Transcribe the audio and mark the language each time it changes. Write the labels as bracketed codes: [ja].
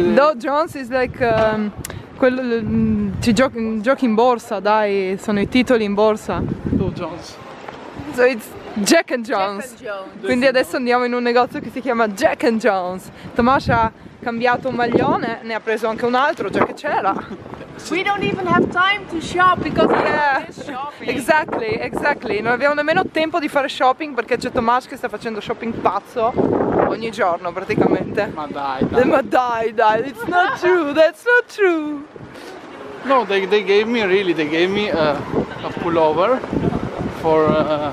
[it] Dow Jones [en] is like [it] quello ci giochi in borsa, dai, sono i titoli in borsa. [en] Dow Jones. So it's Jack and Jones. Jack and Jones. [it] Quindi adesso andiamo in un negozio che si chiama Jack and Jones. Tomasha cambiato un maglione, ne ha preso anche un altro già che c'era. [en] We don't even have time to shop because we're shopping. Exactly, exactly. [it] Non abbiamo nemmeno tempo di fare shopping perché c'è Tomas che sta facendo shopping pazzo ogni giorno praticamente. Ma dai, dai. Ma dai, dai. [en] It's not true. That's not true. No, they gave me a pullover for